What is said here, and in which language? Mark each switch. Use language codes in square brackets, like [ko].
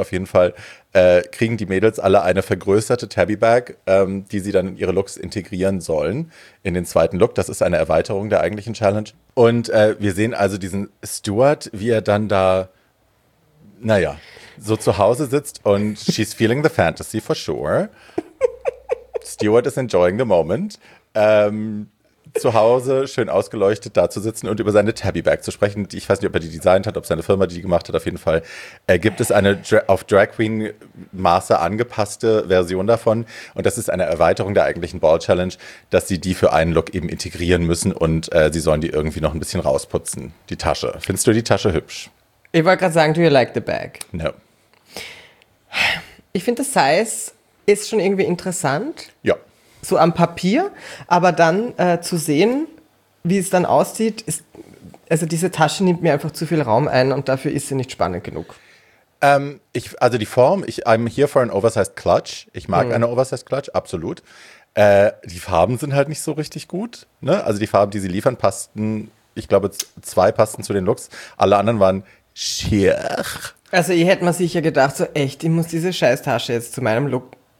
[de] Auf jeden Fall kriegen die Mädels alle eine vergrößerte Tabby Bag, die sie dann in ihre Looks integrieren sollen, in den zweiten Look. Das ist eine Erweiterung der eigentlichen Challenge. Und wir sehen also diesen Stuart, wie er dann da, so zu Hause sitzt und [en] she's feeling the fantasy for sure. Stuart is enjoying the moment. [de] Zu Hause schön ausgeleuchtet da zu sitzen und über seine Tabby Bag zu sprechen. Ich weiß nicht, ob er die designt hat, ob seine Firma die gemacht hat. Auf jeden Fall gibt es eine auf Drag Queen Maße angepasste Version davon. Und das ist eine Erweiterung der eigentlichen Ball Challenge, dass sie die für einen Look eben integrieren müssen und sie sollen die irgendwie noch ein bisschen rausputzen. Die Tasche. Findest du die Tasche hübsch? Ich wollte gerade sagen, [en] do you like the bag? No. [de] Ich finde, das Size ist schon irgendwie interessant. Ja. So am Papier, aber dann zu sehen, wie es dann aussieht, ist, also diese Tasche nimmt mir einfach zu viel Raum ein und dafür ist sie nicht spannend genug. Die Form, [en] I'm here for an oversized clutch. [de] Ich mag eine oversized clutch, absolut. Die Farben sind halt nicht so richtig gut, ne? Also die Farben, die sie liefern, passten, ich glaube, zwei passten zu den Looks. Alle anderen waren schier. Also ich hätte mir sicher gedacht, so echt, ich muss diese scheiß Tasche jetzt zu meinem Look.